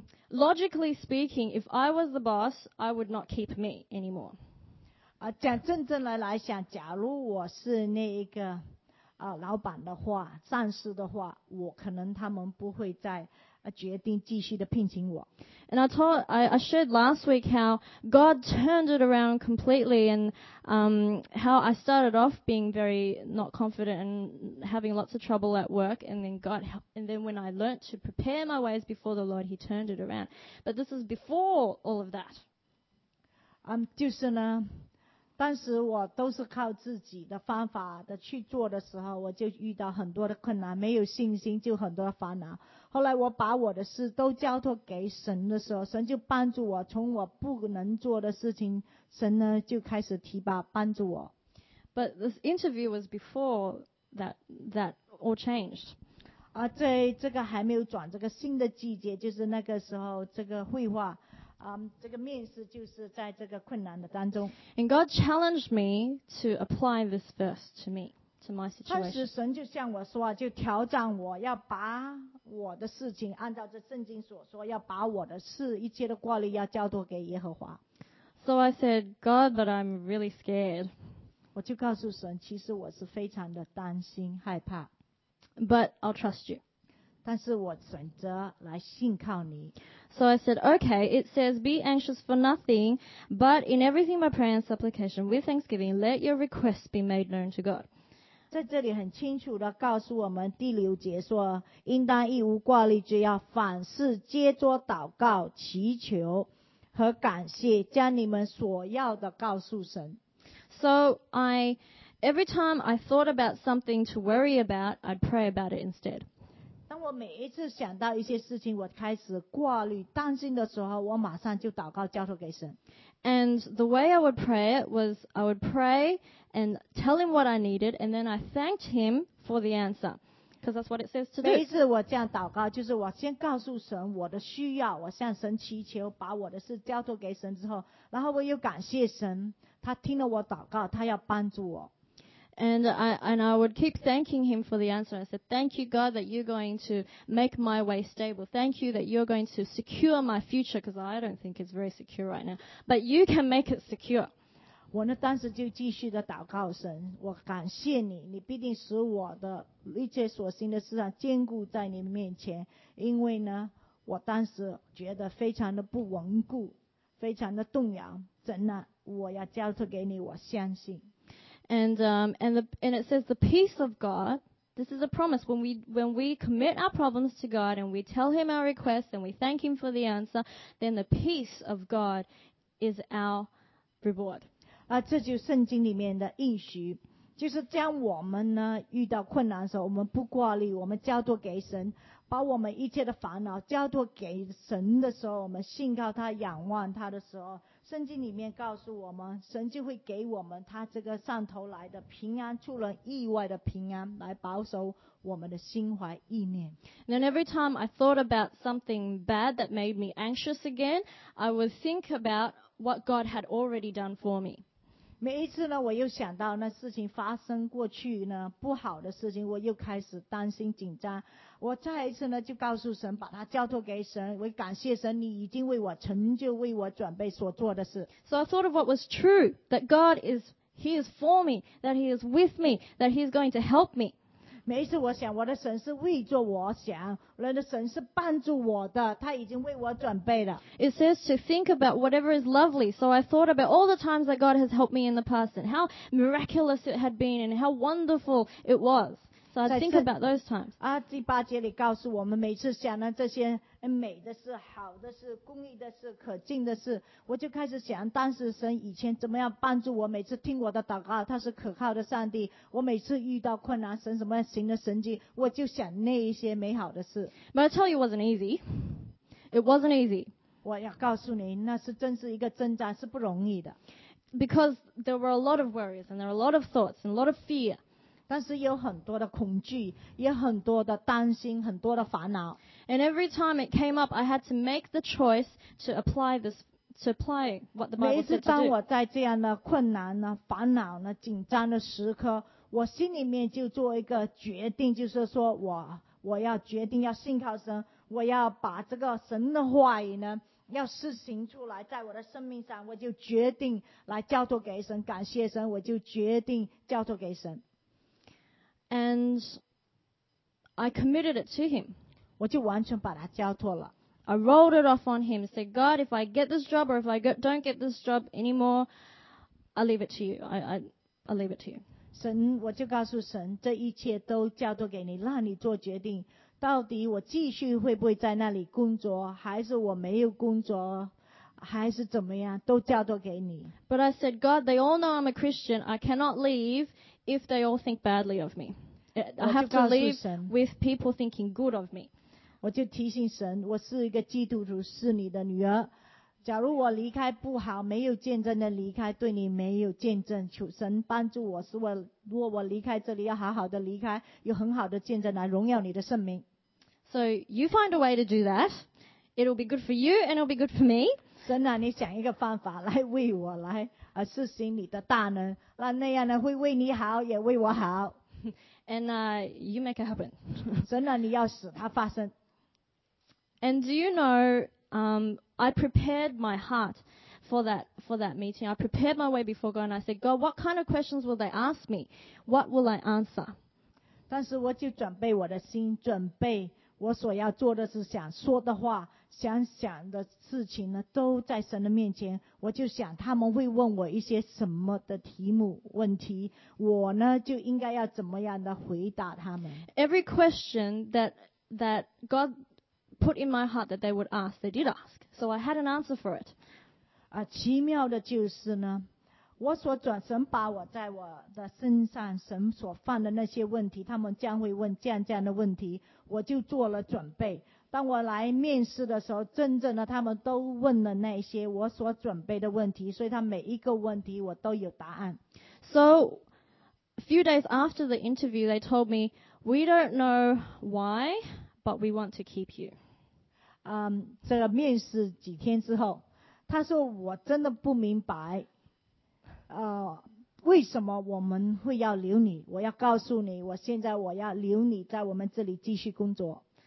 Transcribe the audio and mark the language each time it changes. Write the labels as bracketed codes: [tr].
[en] Logically speaking, if I was the boss, I would not keep me anymore. [zh] 讲真正的来想假如我是那一个老板的话上司的话我可能他们不会再决定继续的聘请我 [en] And I shared last week how God turned it around completely and how I started off being very not confident and having lots of trouble at work and then God helped, and then when I learnt to prepare my ways before the Lord he turned it around but this is before all of that [zh] 就是呢当时我都是靠自己的方法的去做的时候我就遇到很多的困难没有信心就很多的烦恼后来我把我的事都交托给神的时候神就帮助我从我不能做的事情神呢就开始提拔帮助我 [en] But this interview was before that all changed [zh] 在这个还没有转这个新的季节就是那个时候这个绘画这个面试就是在这个困难的当中。 [en] And God challenged me to apply this verse to me, to my situation. [zh] 当时神就向我说，就挑战我要把我的事情按照这圣经所说，要把我的事一切的挂虑要交托给耶和华。 [en] So I said, God, but I'm really scared. [zh] 我就告诉神，其实我是非常的担心害怕。 [en] But I'll trust you. [zh] 但是我选择来信靠你。 [en] So I said, okay, it says, be anxious for nothing, but in everything by prayer and supplication, with thanksgiving, let your requests be made known to God. [zh] 在这里很清楚地告诉我们，第六节说，应当一无挂虑，只要凡事皆作祷告、祈求和感谢，将你们所要的告诉神。 [en] So every time I thought about something to worry about, I'd pray about it instead. [zh] 当我每一次想到一些事情，我开始挂虑、担心的时候，我马上就祷告交托给神。 [en] And the way I would pray it was I would pray and tell him what I needed and then I thanked him for the answer. Because that's what it says to do. [zh] 每一次我这样祷告，就是我先告诉神我的需要，我向神祈求，把我的事交托给神之后，然后我又感谢神，他听了我祷告，他要帮助我。 [en] And I would keep thanking him for the answer. I said, thank you, God, that you're going to make my way stable. Thank you that you're going to secure my future, because I don't think it's very secure right now. But you can make it secure. [zh] 我呢，当时就继续的祷告神，我感谢你，你必定使我的一切所行的事上坚固在你面前，因为呢，我当时觉得非常的不稳固，非常的动摇，真的，我要交托给你，我相信。 [en] And it says the peace of God. This is a promise. When we commit our problems to God and we tell Him our requests and we thank Him for the answer, then the peace of God is our reward. [zh] 啊，这就是圣经里面的应许，就是将我们呢遇到困难的时候，我们不挂虑，我们交托给神，把我们一切的烦恼交托给神的时候，我们信靠他，仰望他的时候。圣经里面告诉我们，神就会给我们他这个上头来的平安，出人意外的平安，来保守我们的心怀意念。 [en] Then every time I thought about something bad that made me anxious again, I would think about what God had already done for me. [zh] 每一次呢，我又想到那事情发生过去呢不好的事情，我又开始担心紧张。我再一次呢，就告诉神，把它交托给神。我感谢神，你已经为我成就、为我准备所做的事。 [en] So I thought of what was true, that God is, He is for me, that He is with me, that He is going to help me. [zh] 每一次我想，我的神是为着我想，人的神是帮助我的，他已经为我准备了。 [en] It says to think about whatever is lovely. So I thought about all the times that God has helped me in the past and how miraculous it had been and how wonderful it was. So I think about those times. [zh] 啊，第八节里告诉我们，每次想到这些美的事、好的事、公义的事、可敬的事，我就开始想当时神以前怎么样帮助我，每次听我的祷告，他是可靠的上帝。我每次遇到困难，神怎么样行的神迹，我就想那一些美好的事。 [en] But I tell you, it wasn't easy. It wasn't easy. [zh] 我要告诉你，那是真是一个挣扎，是不容易的。 [en] Because there were a lot of worries and there were a lot of thoughts and a lot of fear. [zh] 但是有很多的恐惧，也很多的担心，很多的烦恼。 [en] And every time it came up, I had to make the choice to apply this, to apply what the Bible said to do. [zh] 每一次当我在这样的困难呢、烦恼呢、紧张的时刻，我心里面就做一个决定，就是说我要决定要信靠神，我要把这个神的话语呢。要施行出来，在我的生命上，我就决定来交托给神，感谢神，我就决定交托给神。 [en] And I committed it to him. [zh] 我就完全把它交托了。 [en] I rolled it off on him. Said, God, if I get this job or if I don't get this job anymore, I leave it to you. I leave it to you. [zh] 神，我就告诉神，这一切都交托给你，让你做决定。到底我继续会不会在那里工作，还是我没有工作，还是怎么样，都交托给你。 [en] But I said, God, they all know I'm a Christian. I cannot leave. If they all think badly of me, I have to leave with people thinking good of me. [zh] 我就提醒神，我是一个基督徒，是你的女儿。假如我离开不好，没有见证的离开，对你没有见证，求神帮助我，使我如果我离开这里，要好好的离开，有很好的见证来荣耀你的圣名。 [en] So you find a way to do that. It'll be good for you and it'll be good for me. [zh] 神啊，你想一个方法来为我来。施行你的大能，那样呢会为你好，也为我好。 [en] And you make it happen. [zh] 真的，你要使它发生。 [en] And do you know, I prepared my heart for that meeting. I prepared my way before God, and I said, God, what kind of questions will they ask me? What will I answer? [zh] 但是我就准备我的心，准备我所要做的是想说的话，想想的事情呢，都在神的面前。我就想他们会问我一些什么的题目问题，我呢就应该要怎么样的回答他们。 [en] Every question that God put in my heart that they would ask, they did ask. So I had an answer for it. [zh] 啊，奇妙的就是呢，我所转神把我在我的身上神所放的那些问题，他们将会问这样的问题，我就做了准备。当我来面试的时候，真正的他们都问了那些我所准备的问题，所以他每一个问题我都有答案。 [en] So, a few days after the interview, they told me, "We don't know why, but we want to keep you." [zh] 这个面试几天之后，他说我真的不明白，为什么我们会要留你？我要告诉你，我现在我要留你在我们这里继续工作。